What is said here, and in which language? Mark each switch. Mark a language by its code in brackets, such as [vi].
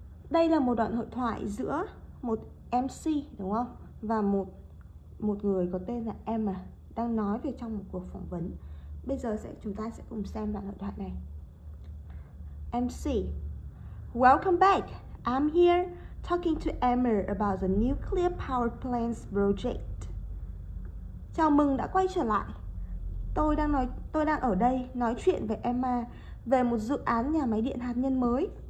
[vi] Đây là một đoạn hội thoại giữa một MC, đúng không? Và một người có tên là Emma đang nói về trong một cuộc phỏng vấn. Bây giờ chúng ta sẽ cùng xem đoạn hội thoại này. MC: [en] Welcome back. I'm here talking to Emma about the nuclear power plant's project. [vi] Chào mừng đã quay trở lại. Tôi đang ở đây nói chuyện với Emma về một dự án nhà máy điện hạt nhân mới.